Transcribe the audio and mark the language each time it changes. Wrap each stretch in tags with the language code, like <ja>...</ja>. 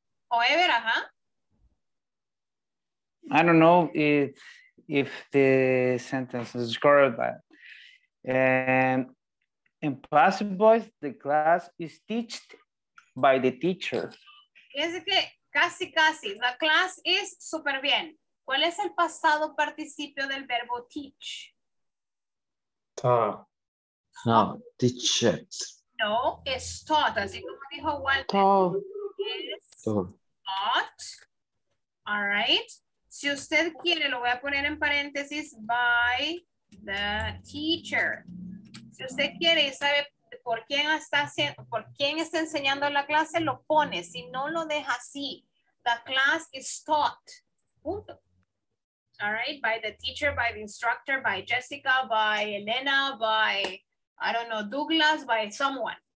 <es>O Ever, ajá.</es> <en>I don't know if the sentence is correct, but in passive voice, the class is taught by the teacher.</en> <es>Es que casi, casi. The class is súper bien. ¿Cuál es el pasado participio del verbo teach?</es> <en>No, teach it.</en> <es>No, es taught. Así como dijo Walter.</es> <en>Taught.</en> <es>All right. Si usted quiere, lo voy a poner en paréntesis, by the teacher. Si usted quiere y sabe por quién está haciendo, por quién está enseñando la clase, lo pone. Si no, lo deja así. The class is taught. Punto.</es> <en>All right, by the teacher, by the instructor, by Jessica, by Elena, by, I don't know, Douglas, by someone.</en>